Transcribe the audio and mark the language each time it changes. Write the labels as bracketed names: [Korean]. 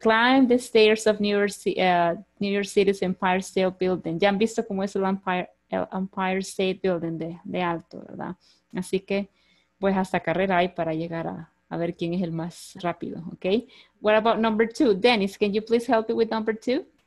[English] Climb the stairs of New York City's Empire State Building. [Spanish] Ya han visto cómo es el Empire State Building de alto, ¿verdad? Así que voy hasta carrera ahí para llegar a ver quién es el más rápido, ¿ok? [English] What about number two? Dennis, can you please help me with number two?